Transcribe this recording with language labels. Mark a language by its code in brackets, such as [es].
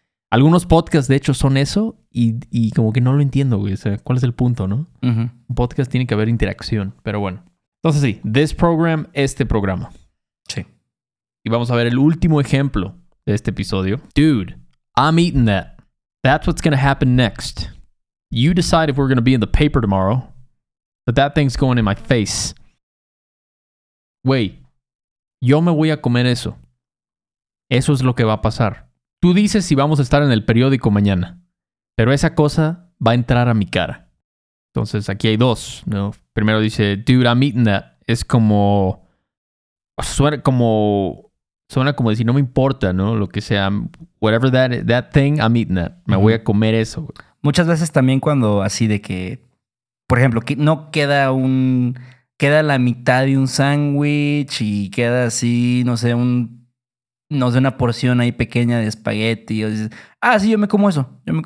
[es] Algunos podcasts, de hecho, son eso. Y como que no lo entiendo, güey. O sea, ¿cuál es el punto, no? Uh-huh. Un podcast tiene que haber interacción. Pero bueno. Entonces sí, [en] this program, [es] este programa. Sí. Y vamos a ver el último ejemplo de este episodio. [en] Dude, I'm eating that. That's what's gonna happen next. You decide if we're gonna be in the paper tomorrow. But that thing's going in my face. [es] Güey, yo me voy a comer eso. Eso es lo que va a pasar. Tú dices si vamos a estar en el periódico mañana. Pero esa cosa va a entrar a mi cara. Entonces, aquí hay dos, ¿no? Primero dice, [en] dude, I'm eating that. [es] Es como... Suena como decir, no me importa, ¿no? Lo que sea. [en] Whatever that thing, I'm eating that. [es] Me voy a comer eso. Muchas veces también cuando así de que... Por ejemplo, que no queda un... Queda la mitad de un sándwich y queda así, no sé, un... No sé, una porción ahí pequeña de espagueti. Y dices, ah, sí, yo me como eso.